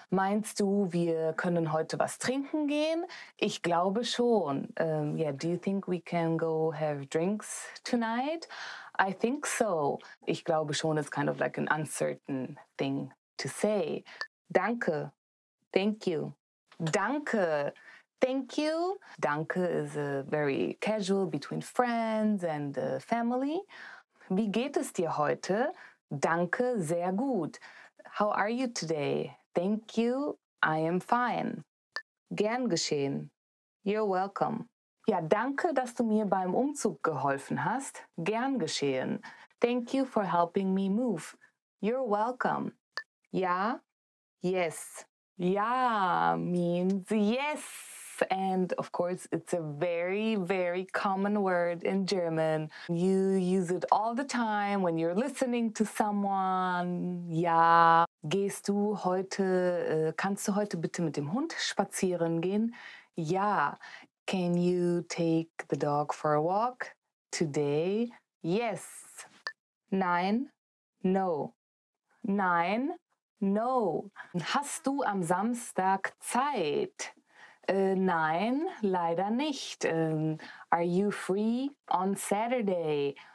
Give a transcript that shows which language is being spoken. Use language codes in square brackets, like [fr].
[de] Meinst du, wir können heute was trinken gehen? Ich glaube schon. [en] Do you think we can go have drinks tonight? I think so. [de] Ich glaube schon [en] is kind of like an uncertain thing to say. [de] Danke. [en] Thank you. [de] Danke. [en] Thank you. Danke is a very casual between friends and family. [de] Wie geht es dir heute? Danke, sehr gut. [en] How are you today? Thank you. I am fine. [de] Gern geschehen. [en] You're welcome. [de] Ja, danke, dass du mir beim Umzug geholfen hast. Gern geschehen. [en] Thank you for helping me move. You're welcome. [de] Ja? [en] Yes. Ja means yes. And of course, it's a very, very common word in German. You use it all the time when you're listening to someone. [de] Ja, gehst du heute, kannst du heute bitte mit dem Hund spazieren gehen? Ja, [en] can you take the dog for a walk today? Yes. [de] Nein, [en] no. [de] Nein, [en] no. [de] Hast du am Samstag Zeit? Nein, leider nicht. [en] Are you free on Saturday?